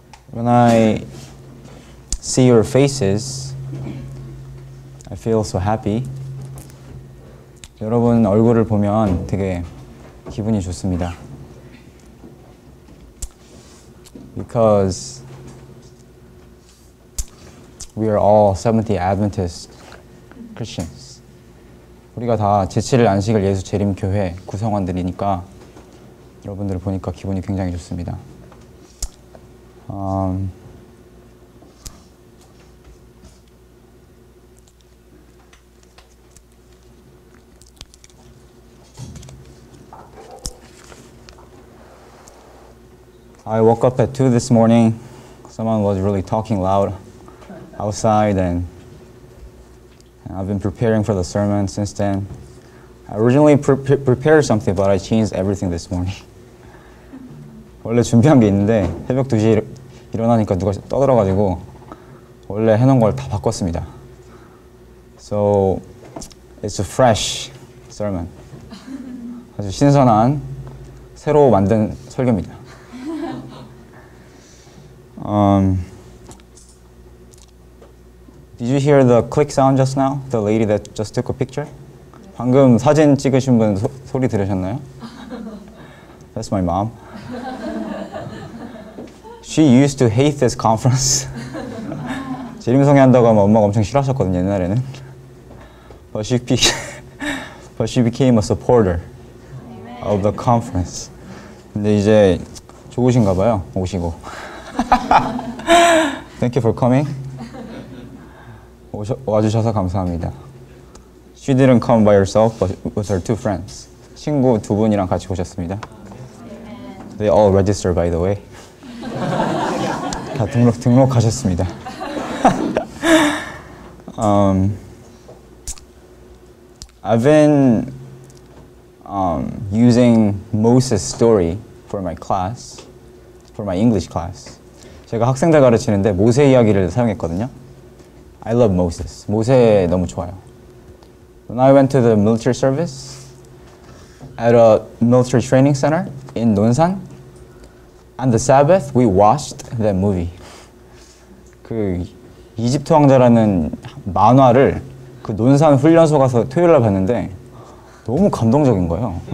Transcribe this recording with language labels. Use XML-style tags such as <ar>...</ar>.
<en>When I see your faces, I feel so happy.</en> <ko>여러분 얼굴을 보면 되게 기분이 좋습니다.</ko> <en>Because we are all Seventh-day Adventist Christians.</en> <ko>우리가 다 제7일 안식일 예수 재림 교회 구성원들이니까 여러분들을 보니까 기분이 굉장히 좋습니다.</ko> <en>I woke up at 2 this morning. Someone was really talking loud outside, and I've been preparing for the sermon since then. I originally prepared something, but I changed everything this morning.</en> <ko>원래 준비한 게 있는데 새벽 2시에 일어나니까 누가 떠들어가지고 원래 해놓은 걸 다 바꿨습니다.</ko> <en>So it's a fresh sermon.</en> <ko>아주 신선한 새로 만든 설교입니다.</ko> <en>Did you hear the click sound just now? The lady that just took a picture?</en> <ko>방금 사진 찍으신 분 소리 들으셨나요?</ko> <en>That's my mom. She used to hate this conference.</en> <ko>재림성회 한다고 하면 엄마가 엄청 싫어하셨거든요, 옛날에는.</ko> <en>But she became a supporter of the conference.</en> <ko>근데 이제 좋으신가 봐요, 오시고.</ko> <en>Thank you for coming.</en> <ko>와주셔서 감사합니다.</ko> <en>She didn't come by herself, but with her two friends.</en> <ko>친구 두 분이랑 같이 오셨습니다.</ko> <en>They all registered, by the way.</en> <ko>다 등록하셨습니다.</ko> <en>I've been using Moses' story for my class, for my English class.</en> <ko>제가 학생들 가르치는데 모세 이야기를 사용했거든요.</ko> <en>I love Moses.</en> <ko>모세 너무 좋아요.</ko> <en>When I went to the military service at a military training center in Nonsan, on the Sabbath, we watched that movie.</en> <ko>그 이집트 왕자라는 만화를 그 논산 훈련소 가서 토요일날 봤는데 너무 감동적인 거예요.</ko>